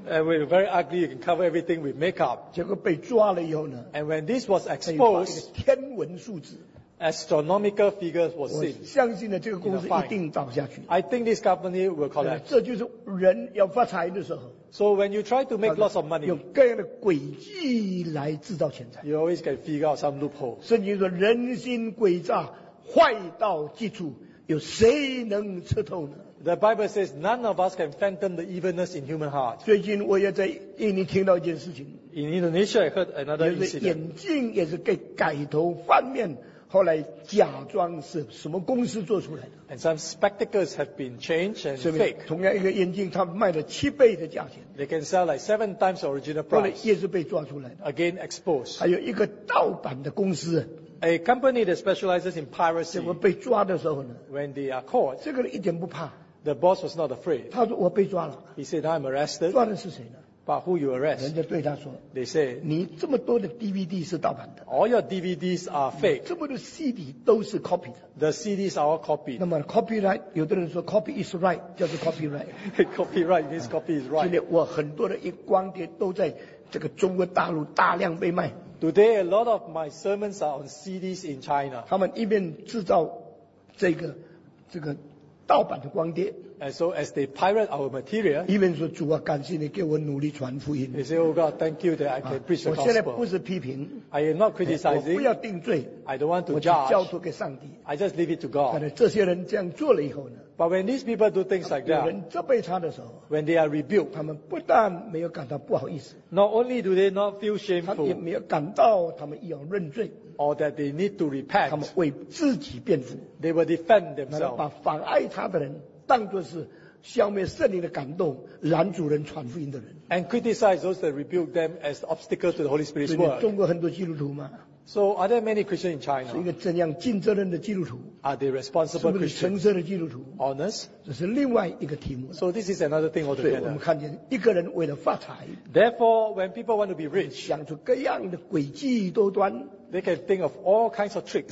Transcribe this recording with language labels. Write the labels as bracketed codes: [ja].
[en] And we're very ugly, you can cover everything with makeup. [zh] 结果被抓了以后呢, [en] and when this was exposed, [zh] 天文数字, [en] astronomical figures was seen. [zh] 我相信了这个公司一定倒下去。 [en] I think this company will collapse. [zh] 这就是人要发财的时候。 [en] So when you try to make lots of money, [zh] 用各样的诡计来制造钱财, [en] you always can figure out some loophole. [zh] 圣经说人心诡诈坏到极处, 有谁能吃透呢? [en] The Bible says none of us can fathom the evilness in human heart. [zh] 最近我也在印尼听到一件事情, [en] in Indonesia I heard another incident. [zh] 眼镜也是给改头换面, 后来假装是什么公司做出来的。 [en] And some spectacles have been changed and fake. [zh] 同样一个眼镜他卖了7倍的价钱。 [en] They can sell like 7 times the original price. [zh] 后来也是被抓出来的。 [en] Again exposed. [zh] 还有一个盗版的公司, [en] a company that specializes in piracy. [zh] 结果被抓的时候呢, [en] when they are caught, [zh] 这个人一点不怕, [en] the boss was not afraid. [zh] 他说我被抓了。 [en] He said, I'm arrested. [zh] 抓的是谁呢? [en] But who you arrest? [zh] 人家对他说, [en] they say, [zh] 你这么多的DVD是盗版的, [en] all your DVDs are fake. [zh] 这么多CD都是copy的, [en] the CDs are all copied. [zh] 那么copyright, 有的人说 copy is right, 叫做copyright. [en] Copyright means copy is right. [zh] 现在我很多的光碟都在这个中国大陆大量被卖。 [en] Today, a lot of my sermons are on CDs in China. [zh] 他们一边制造这个盗版的光碟, [en] So as they pirate our material, [zh] 一面说主啊，感谢你给我努力传福音。 [en] They say, Oh God, thank you that I can preach the gospel. [zh] 我现在不是批评 [en] ，I am not criticizing. [zh] 我不要定罪 [en] ，I don't want to judge. [zh] 我只交托给上帝 [en] ，I just leave it to God. [zh] 但是这些人这样做了以后呢 [en] ？But when these people do things like that, [zh] 有人责备他的时候 [en] ，When they are rebuked, [zh] 他们不但没有感到不好意思 [en] ，Not only do they not feel shameful, [zh] 他们也没有感到他们要认罪 [en] ，Or that they need to repent. [zh] 他们为自己辩护 [en] ，They will defend themselves. [zh] 把妨碍他的人。当作是消灭圣灵的感动，拦阻人传福音的人。 [en] And criticize those that rebuke them as obstacle to the Holy Spirit's work. [zh] 中国很多基督徒吗 [en] ？So are there many Christians in China? [zh] 是一个怎样尽责任的基督徒 [en] ？Are they responsible Christians? [zh] 是不是诚实的基督徒 [en] ？Honest. [zh] 这是另外一个题目。 [en] So this is another thing altogether. [zh] 所以我们看见一个人为了发财 [en] ，Therefore, when people want to be rich, [zh] 想出各样的诡计多端 [en] ，They can think of all kinds of tricks.